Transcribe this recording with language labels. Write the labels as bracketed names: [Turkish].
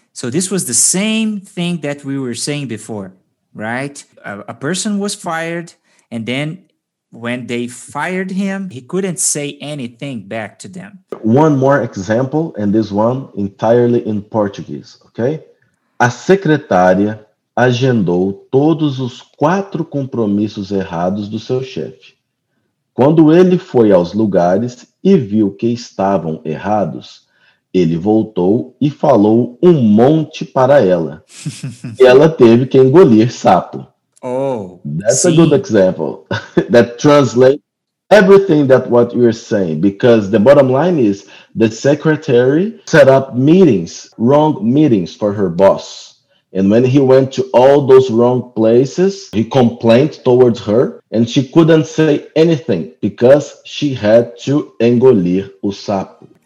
[English] So this was the same thing that we were saying before, right? A person was fired, and then when they fired him, he couldn't say anything back to them. One more example, and this one entirely in Portuguese, okay? [Portuguese] A secretária agendou todos os quatro compromissos errados do seu chefe. Quando ele foi aos lugares e viu que estavam errados, ele voltou e falou um monte para ela. E ela teve que engolir sapo. [English] Oh, that's a good example. That translates everything that what you're saying, because the bottom line is the secretary set up meetings, wrong meetings for her boss. And when he went to all those wrong places, he complained towards her and she couldn't say anything because she had to [Portuguese] engolir o sapo.